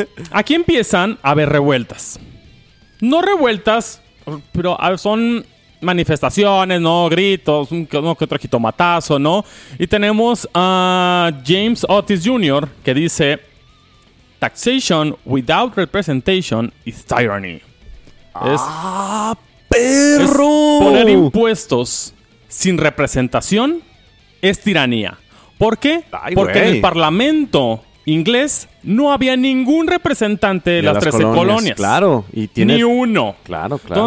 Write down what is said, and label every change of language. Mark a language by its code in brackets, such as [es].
[es] Aquí empiezan a haber revueltas. No revueltas, pero son manifestaciones, ¿no? Gritos, uno que otro jitomatazo, ¿no? Y tenemos a James Otis Jr. que dice... [en] Taxation without representation is tyranny. [es] Perro. Es poner impuestos sin representación es tiranía. ¿Por qué? Ay, porque wey. En el parlamento inglés no había ningún representante de las 13 colonias. Claro. Y tiene... ni uno. Claro, claro.